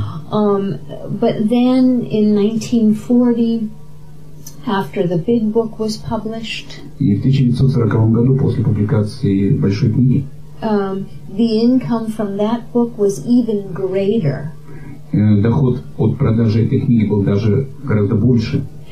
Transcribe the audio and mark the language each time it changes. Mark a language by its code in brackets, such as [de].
[en] But then in 1940, after the Big Book was published, [ru] и в 1940 году, после публикации Большой книги, [en] the income from that book was even greater. [ru] Доход от продажи этой книги был даже гораздо больше.